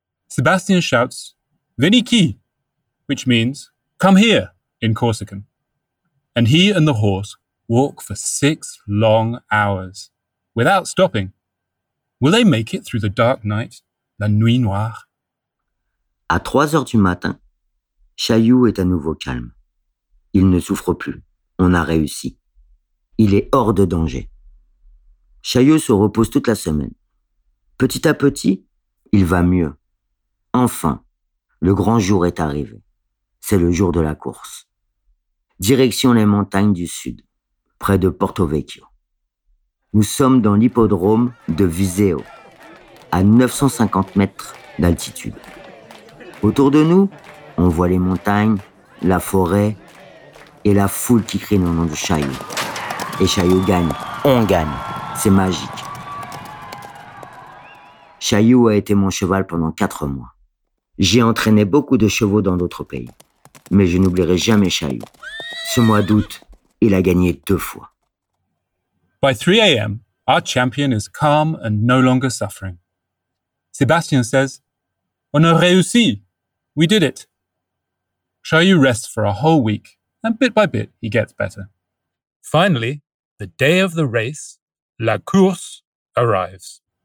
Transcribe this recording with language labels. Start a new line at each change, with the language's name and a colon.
English: Sébastien shouts,
Corsican: Veni qui,
English: which means, come here, in Corsican. And he and the horse walk for 6 long hours, without stopping. Will they make it through the dark night,
French: la nuit noire? À 3 heures du matin, Chaillou est à nouveau calme. Il ne souffre plus. On a réussi. Il est hors de danger. Chaillou se repose toute la semaine. Petit à petit, il va mieux. Enfin, le grand jour est arrivé. C'est le jour de la course. Direction les montagnes du sud, près de Porto Vecchio. Nous sommes dans l'hippodrome de Viseo, à 950 mètres d'altitude. Autour de nous, on voit les montagnes, la forêt et la foule qui crie le nom de Chaillou. Et Chaillou gagne, on gagne, c'est magique. Chaillou a été mon cheval pendant 4 mois. J'ai entraîné beaucoup de chevaux dans d'autres pays, mais je n'oublierai jamais Chaillou. Ce mois d'août, il a gagné 2 fois.
English: By 3 a.m., our champion is calm and no longer suffering. Sébastien says,
French: on a réussi,
English: we did it. Chaillou rests for a whole week, and bit by bit, he gets better. Finally, the day of the race,
French: la course,
English: arrives.